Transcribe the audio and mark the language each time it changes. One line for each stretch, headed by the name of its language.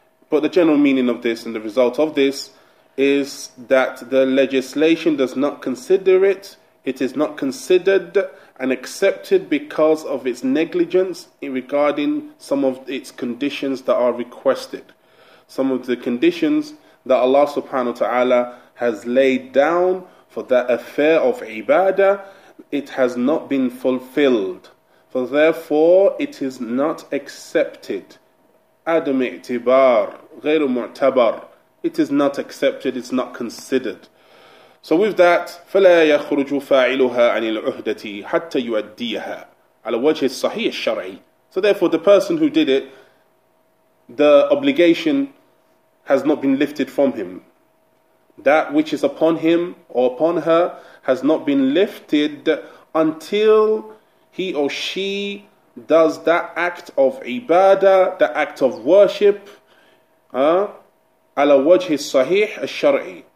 English: But the general meaning of this and the result of this is that the legislation does not consider it, it is not considered and accepted because of its negligence in regarding some of its conditions that are requested, some of the conditions that Allah subhanahu wa ta'ala has laid down for that affair of ibadah, it has not been fulfilled. For therefore it is not accepted. Adam i'tibar,
Arabic: غير معتبر.
English: It is not accepted, it's not considered. So with that,
Arabic: فلا يخرج فاعلها عن العهدة حتى يؤديها على وجه الصحيح الشرعي.
English: So therefore the person who did it, the obligation has not been lifted from him. That which is upon him or upon her has not been lifted until he or she does that act of ibadah, the act of worship, ala wajhi sahih al-shar'i.